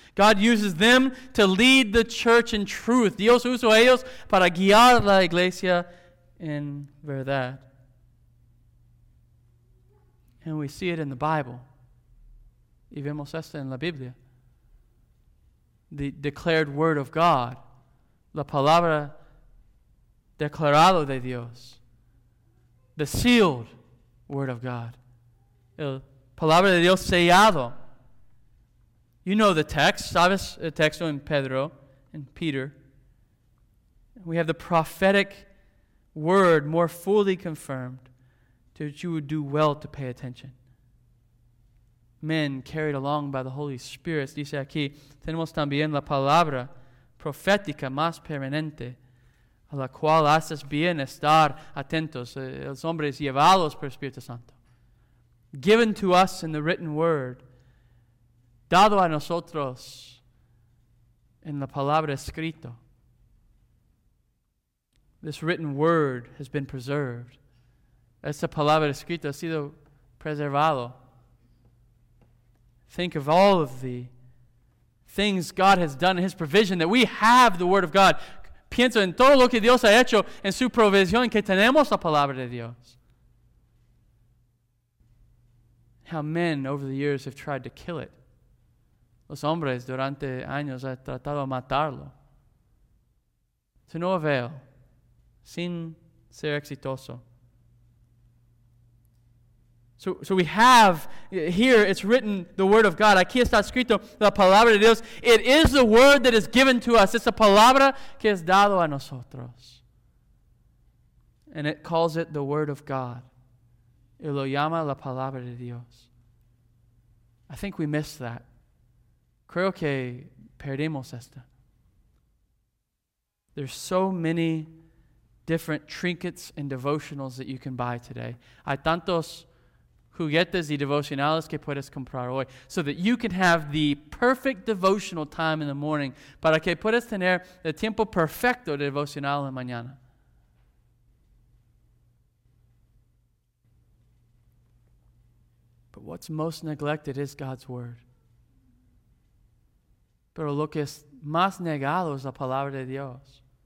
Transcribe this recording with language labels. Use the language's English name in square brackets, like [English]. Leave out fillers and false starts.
[English] God uses them to lead the church in truth. [Spanish] Dios usó a ellos para guiar la iglesia en verdad. [English] And we see it in the Bible. [Spanish] Y vemos esto en la Biblia. [English] The declared word of God. [Spanish] La palabra declarado de Dios. [English] The sealed word of God. [Spanish] El palabra de Dios sellado. [English] You know the text. Sabes el texto en Pedro and Peter. We have the prophetic word more fully confirmed to which you would do well to pay attention. Men carried along by the Holy Spirit. [Spanish] Dice aquí, tenemos también la palabra profética más permanente a la cual haces bien estar atentos. Los hombres llevados por el Espíritu Santo. [English] Given to us in the written word. [Spanish] Dado a nosotros en la palabra escrito. [English] This written word has been preserved. [Spanish] Esta palabra escrita ha sido preservado. [English] Think of all of the things God has done in his provision, that we have the word of God. [Spanish] Pienso en todo lo que Dios ha hecho en su provisión, que tenemos la palabra de Dios. [English] How men over the years have tried to kill it. [Spanish] Los hombres durante años han tratado de matarlo. [English] To no avail, [Spanish] sin ser exitoso. [English] So we have here, it's written, the word of God. [Spanish] Aquí está escrito la palabra de Dios. [English] It is the word that is given to us. It's a [Spanish] palabra que es dado a nosotros. [English] And it calls it the word of God. [Spanish] Y lo llama la palabra de Dios. [English] I think we miss that. [Spanish] Creo que perdimos esta. [English] There's so many different trinkets and devotionals that you can buy today. [Spanish] Hay tantos juguetes y devocionales que puedes comprar hoy. [English] So that you can have the perfect devotional time in the morning. [Spanish] Para que puedas tener el tiempo perfecto de devocional en mañana. [English] But what's most neglected is God's word. [Spanish] Pero lo que es más negado es la palabra de Dios.